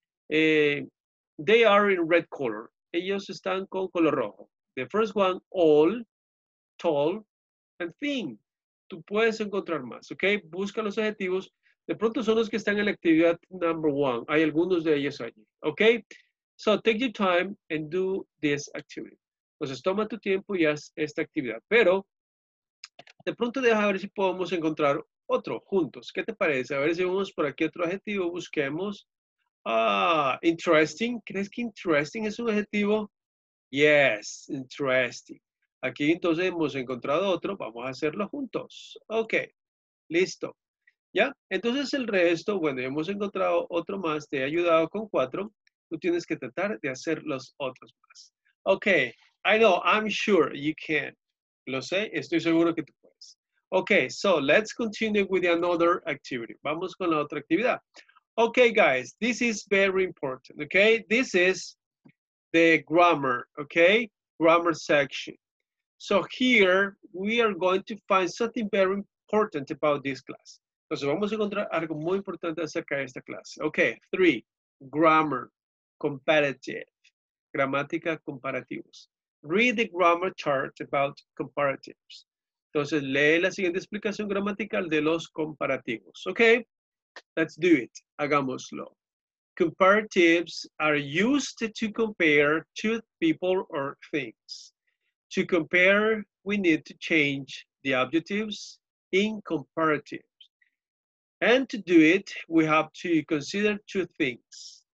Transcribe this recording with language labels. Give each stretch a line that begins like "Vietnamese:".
English: They are in red color.
Spanish: Ellos están con color rojo.
English: The first one, all, tall, and thin.
Spanish: Tú puedes encontrar más, okay? Busca los adjetivos. De pronto son los que están en la actividad
English: number one.
Spanish: Hay algunos de ellos allí, okay?
English: So take your time and do this activity.
Spanish: Entonces toma tu tiempo y haz esta actividad. Pero de pronto deja ver si podemos encontrar otro juntos. ¿Qué te parece? A ver si vamos por aquí otro adjetivo. Busquemos. Ah, interesting. ¿Crees que interesting es un adjetivo?
English: Yes, interesting.
Spanish: Aquí entonces hemos encontrado otro. Vamos a hacerlo juntos. Ok, listo. ¿Ya? Entonces el resto, bueno, hemos encontrado otro más. Te he ayudado con cuatro. Tú tienes que tratar de hacer los otros más.
English: Ok. I know, I'm sure you can.
Spanish: Lo sé, estoy seguro que tú puedes.
English: Okay, so let's continue with another activity.
Spanish: Vamos con la otra actividad.
English: Okay, guys, this is very important, okay? This is the grammar, okay? Grammar section. So here, we are going to find something very important about this class.
Spanish: Entonces vamos a encontrar algo muy importante acerca de esta clase.
English: Okay, three, grammar, comparative,
Spanish: gramática comparativos.
English: Read the grammar chart about comparatives.
Spanish: Entonces, lee la siguiente explicación gramatical de los comparativos.
English: Okay, let's do it.
Spanish: Hagámoslo.
English: Comparatives are used to compare two people or things. To compare, we need to change the adjectives in comparatives. And to do it, we have to consider two things.